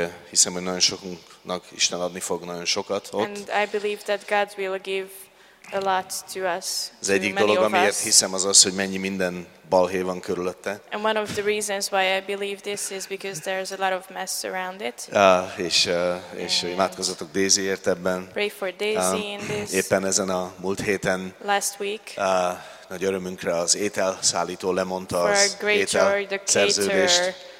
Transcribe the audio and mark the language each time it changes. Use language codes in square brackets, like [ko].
[hu] Hiszem, hogy nagyon sokunknak Isten adni fog nagyon sokat ott. [en] And I believe that God will give a lot to us. [hu] Az egyik dolog, amiért hiszem, az, hogy mennyi minden balhé van körülötte. [en] And one of the reasons why I believe this is because there's a lot of mess around it. [hu] És imádkozzatok Daisyért ebben. [en] Pray for Daisy in this. [hu] Éppen ezen a múlt héten. [en] Last week. [hu] Nagy örömünkre az ételszállító lemondta az ételszerződést.